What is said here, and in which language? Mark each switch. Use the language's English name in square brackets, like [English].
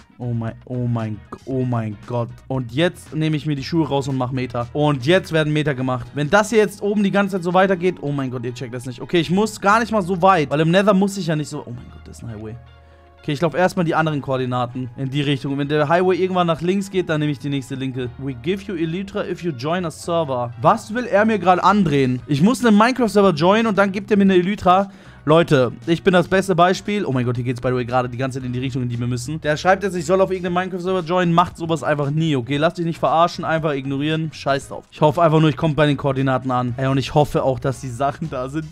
[German] Oh mein Gott. Und jetzt nehme ich mir die Schuhe raus und mache Meter. Und jetzt werden Meter gemacht. Wenn das hier jetzt oben die ganze Zeit so weitergeht, oh mein Gott, ihr checkt das nicht. Okay, ich muss gar nicht mal so weit, weil im Nether muss ich ja nicht so, oh mein Gott, das ist ein Highway. Okay, ich laufe erstmal die anderen Koordinaten in die Richtung. Wenn der Highway irgendwann nach links geht, dann nehme ich die nächste linke. [English] We give you Elytra if you join a server. [German] Was will er mir gerade andrehen? Ich muss einen Minecraft-Server joinen und dann gibt er mir eine Elytra. Leute, ich bin das beste Beispiel. Oh mein Gott, hier geht's by the way gerade die ganze Zeit in die Richtung, in die wir müssen. Der schreibt jetzt, ich soll auf irgendeinem Minecraft-Server joinen. Macht sowas einfach nie, okay? Lass dich nicht verarschen, einfach ignorieren. Scheiß drauf. Ich hoffe einfach nur, ich komme bei den Koordinaten an. Ey, und ich hoffe auch, dass die Sachen da sind.